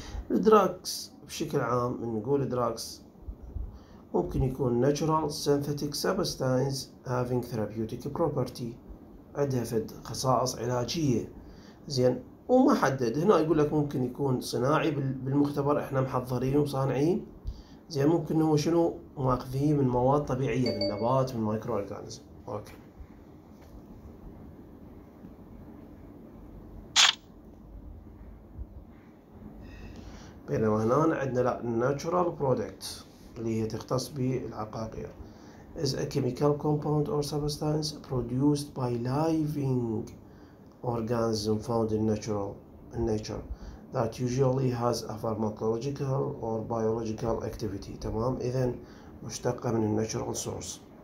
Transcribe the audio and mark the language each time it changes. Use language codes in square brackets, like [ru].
[ar] الدراكس بشكل عام، من نقول دراكس ممكن يكون [en] natural synthetic substance having therapeutic property، [ar] عندها فد خصائص علاجية. زين، وما حدد هنا، يقول لك ممكن يكون صناعي بالمختبر احنا محضرين وصانعين. زين، ممكن هو شنو ماخذيه من مواد طبيعية، من نبات، من مايكرو اورجانزم. اوكي، بينما هنا عندنا لا، [en] natural product [ar] اللي هي تختص بالعقاقير [en] is a chemical compound or substance produced by living organism found in nature that usually has a pharmacological or biological activity. [ar] تمام، اذا مشتقة من natural source.